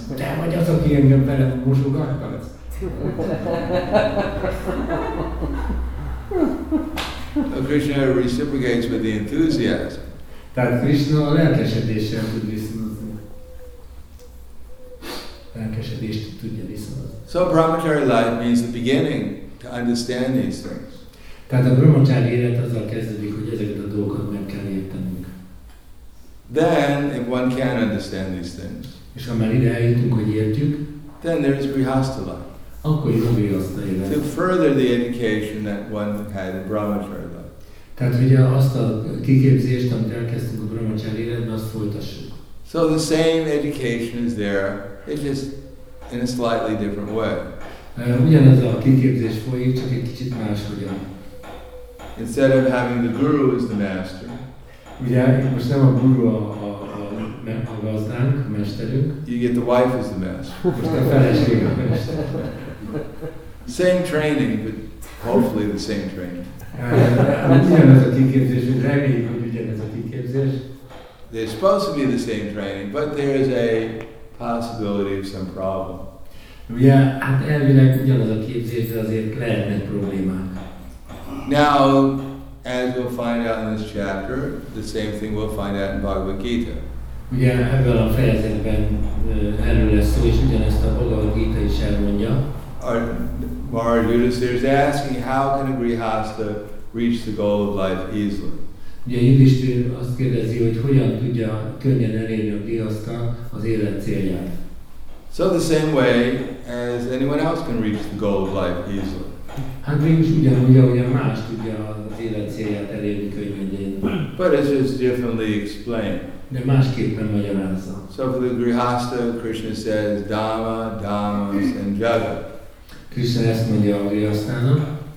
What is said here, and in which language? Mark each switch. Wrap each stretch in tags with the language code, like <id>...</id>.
<hu>Te vagy az, aki engem velem mosogattad.</hu> <en>So Krishna reciprocates with the enthusiasm.</en> <hu>Tehát Krishna a lelkesedéssel tud viszonozni. Lelkesedést tudja viszonozni.</hu> <en>So brahmacari life means the beginning to understand these things.</en> <hu>Tehát a brahmacari élet azzal kezdődik, hogy ezeket a dolgokat meg kell értenünk.</hu> <en>Then, if one can understand these things,</en> <hu>és ha már ide eljutunk, hogy értjük,</hu> <en>then there is grihastha life.</en> <hu>Akkor jön a grihastha élet.</hu> <en>To further the education that one had in brahmacari life.</en> <hu>Tehát ugye azt a kiképzést, amit elkezdtünk a brahmacari életben, azt folytassuk.</hu> <en>So the same education is there, it's just in a slightly different way.</en> <hu>Ugyanaz a kiképzés folyik, csak egy kicsit máshogyan.</hu> <en>Instead of having the guru as the master,</en> <hu>ugye most nem a guru a a gazdánk, a mesterünk.</hu> <en>You get the wife as the master.</en> <hu>A feleség a mester.</hu> <en>Same training, but hopefully the same training.</en> <hu>Ugyanaz a kiképzés, reméljük, hogy ugyanaz a kiképzés.</hu> <en>They're supposed to be the same training, but there is a possibility of some problem.</en> <hu>Ugye, hát elvileg ugyanaz a képzés, azért lehetnek problémák.</hu> <en>Now, as we'll find out in this chapter, the same thing we'll find out in Bhagavad Gita.</en> <hu>Ugye ebben a fejezetben erről lesz szó, és ugyanezt a Bhagavad Gita is elmondja.</hu> <en>Maharaj Yudhisthira is asking, how can a grihastha reach the goal of life easily?</en> <hu>Ugye Yudhisthira azt kérdezi, hogy hogyan tudja könnyen elérni a grihastha az élet célját.</hu> <en>So the same way as anyone else can reach the goal of life easily.</en> <hu>Hát mégis ugyanúgy, ahogy a más tudja az élet célját elérni könnyen.</hu> <en>But it's just differently explained.</en> <hu>De másképpen magyarázza.</hu> <en>So for the grihastha, Krishna says, dhamma, dhammas, and jagat.</en> <hu>Krishna ezt mondja a grihasthának.</hu>